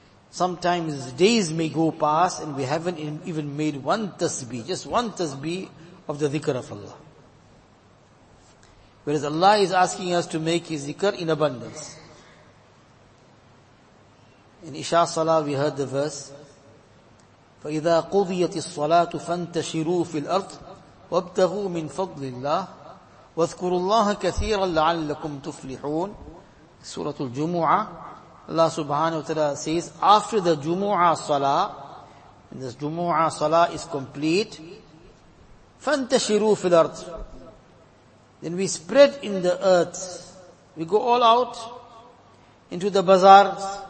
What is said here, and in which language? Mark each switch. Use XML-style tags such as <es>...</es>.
<en>Sometimes days may go past and we haven't even made one tasbih, just one tasbih of the dhikr of Allah. Whereas Allah is asking us to make His dhikr in abundance. In Isha Salah, we heard the verse,</en> <ar>فَإِذَا قُضِيَتِ الصَّلَاةُ فَانْتَشِرُوا فِي الْأَرْضِ وَابْتَغُوا مِنْ فَضْلِ اللَّهِ وَاذْكُرُوا اللَّهَ كَثِيرًا لَعَلَّكُمْ تُفْلِحُونَ.</ar> <en>Surah Al-Jumu'ah, Allah subhanahu wa ta'ala says, after the Jumu'ah Salah, when this Jumu'ah Salah is complete,</en> <ar>فَانْتَشِرُوا فِي الْأَرْضِ,</ar> <en>then we spread in the earth, we go all out into the bazaars.</en>